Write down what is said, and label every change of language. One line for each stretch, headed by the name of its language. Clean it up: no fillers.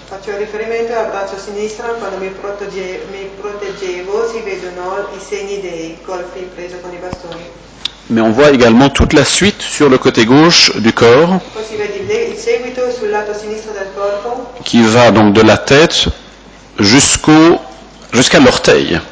Italian: Faccio riferimento al braccio sinistro quando mi proteggevo si vedono i segni dei colpi presi con i bastoni.
French: Mais on voit également toute la suite sur le côté gauche du corps.
Italian: Poi si vede il seguito sul lato sinistro del corpo.
French: Qui va donc de la tête jusqu'à l'orteil.